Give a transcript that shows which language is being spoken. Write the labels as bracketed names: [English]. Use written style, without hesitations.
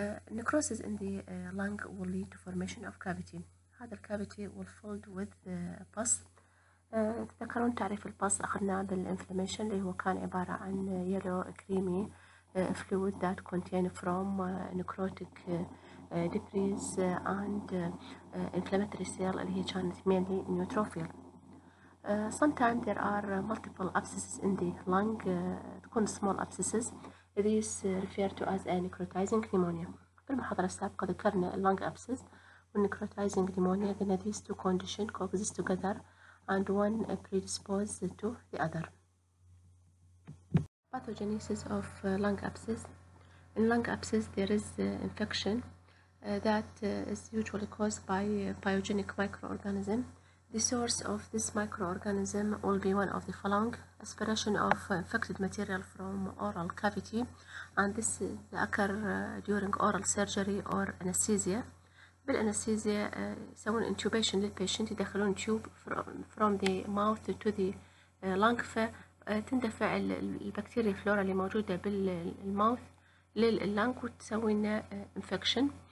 [English] Necrosis in the lung will lead to formation of cavity. هذا الكافيتي will filled with pus. [Arabic] تذكرون تعريف البص أخذناه بالinflammation اللي هو كان عبارة عن [English] yellow creamy fluid that contain from necrotic debris and inflammatory cell [Arabic] اللي هي كانت [English] mainly neutrophil. Sometimes there are multiple abscesses in the lung, تكون small abscesses. These refer to as a necrotizing pneumonia. [Arabic] في المحاضرة السابقة ذكرنا [English] lung abscess والnecrotizing pneumonia, قلنا these two conditions coexist together and one predispose to the other. Pathogenesis of lung abscess. In lung abscess there is infection that is usually caused by pyogenic microorganism. The source of this microorganism will be one of the following: aspiration of infected material from oral cavity, and this occur during oral surgery or anesthesia. [Arabic] بالأنستيزيا يسوون intubation للpatient, يدخلون [English] tube from the mouth to the lung, [Arabic] تندفع البكتيريا فلورا اللي موجودة بالماوث لللنك وتسوينا infection.